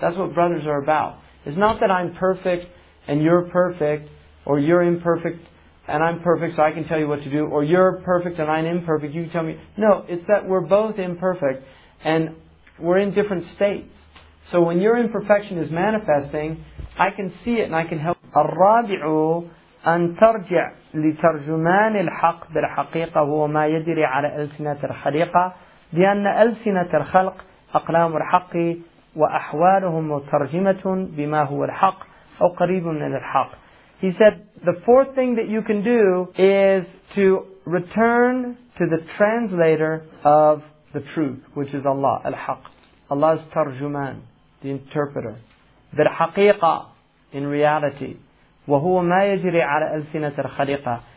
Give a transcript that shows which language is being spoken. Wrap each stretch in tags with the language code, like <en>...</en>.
<en>That's what brothers are about. It's not that I'm perfect and you're perfect, or you're imperfect and I'm perfect so I can tell you what to do, or you're perfect and I'm imperfect, you can tell me. No, it's that we're both imperfect and we're in different states. So when your imperfection is manifesting, I can see it and I can help.</en> <ar>الرابعُ أن ترجع لترجمان الحق بالحقيقة هو ما يدري على ألسنة الخليقة لأن ألسنة الخلق أقلام الحق وأحوالهم مترجمة بما هو الحق أو قريب من الحق.</ar> <en>He said, the fourth thing that you can do is to return to the translator of the truth, which is Allah, الحق. Allah's ترجمان, the interpreter. بالحقيقة, in reality.</en> <ar>وَهُوَ مَا يَجْرِي عَلَى أَلْسِنَةِ الْخَلِقَةِ.</ar>